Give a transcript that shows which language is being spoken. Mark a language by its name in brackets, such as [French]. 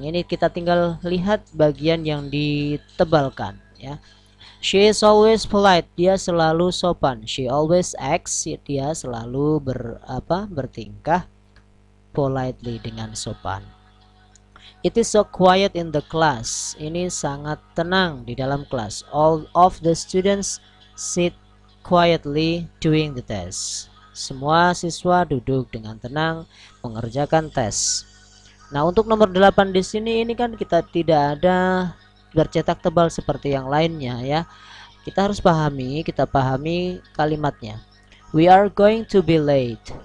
[Indonesian] Ini kita tinggal lihat bagian yang ditebalkan, ya. [English] She is always polite. [Indonesian] Dia selalu sopan. [English] She always acts. [Indonesian] Dia selalu bertingkah politely, dengan sopan. [English] It is so quiet in the class. [Indonesian] Ini sangat tenang di dalam kelas. [English] All of the students sit quietly doing the test. [Indonesian] Semua siswa duduk dengan tenang mengerjakan tes. Nah, untuk nomor 8 di sini, ini kan kita tidak ada bercetak tebal seperti yang lainnya, ya. Kita harus pahami, kita pahami kalimatnya. [English] We are going to be late.